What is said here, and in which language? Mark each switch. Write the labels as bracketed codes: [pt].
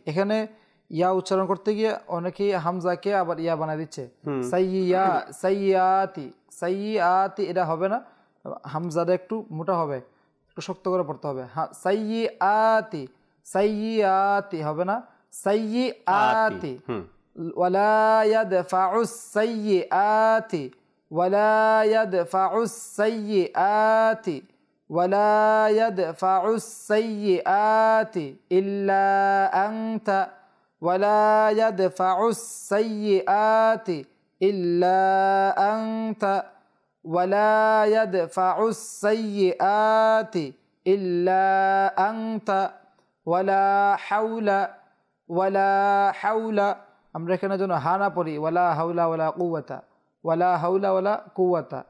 [bn] এখানে ইয়া উচ্চারণ করতে গিয়ে অনেকে হামজাকে আবার ইয়া বানিয়ে দিচ্ছে সাইয়্যাতি এটা হবে না হামজাটা একটু মোটা হবে একটু শক্ত করে পড়তে হবে সাইয়্যাতি হবে না সাইয়্যাতি [ar] ওয়ালা ইয়াদফাউস সাইয়্যাতি ولا يدفع السيئات ولا يدفع السيئات الا انت ولا يدفع السيئات الا انت ওয়ালা ইয়াদফাউস সাইয়্যাতি ইল্লা আনতা ওয়ালা হাওলা ওয়ালা হাওলা। [bn] আমরা এখানে যেন হানা পড়ি, [ar] ওয়ালা হাওলা ওয়ালা কুওয়াতা, [bn] ওয়ালা হাওলা ওয়ালা কুওয়াতা।